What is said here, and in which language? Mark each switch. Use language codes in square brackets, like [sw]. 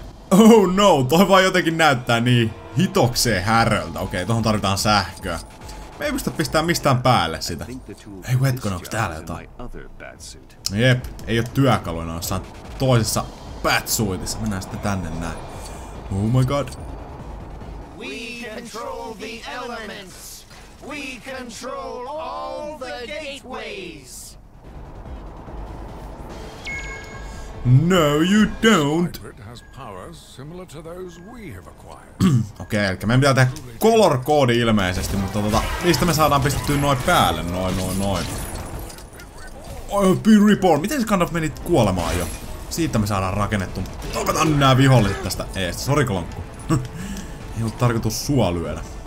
[fi] Oh no, toi vaan jotenkin näyttää niin hitokseen häröltä. Okei, tohon tarvitaan sähköä. Me ei pystytä pistää mistään päälle sitä. Ei hetkon, onks täällä jotain? Jep, ei oo työkaluina, jossain toisessa batsuitissa. Mennään sitten tänne näin. [en] Oh my god. We control the elements. We control all the gateways. No you don't. Similar to those we have acquired. [fi] Okei, okay, elikkä meidän pitää tehdä color koodi ilmeisesti, mutta mistä me saadaan pistettyä noin päälle, noin. Oi, [en] be reborn. [fi] Miten se kannat menit kuolemaan jo? Siitä me saadaan rakennettu. Tokataan nää viholliset tästä eestä, sori kolonkku. Ei ollut tarkoitus sua lyödä.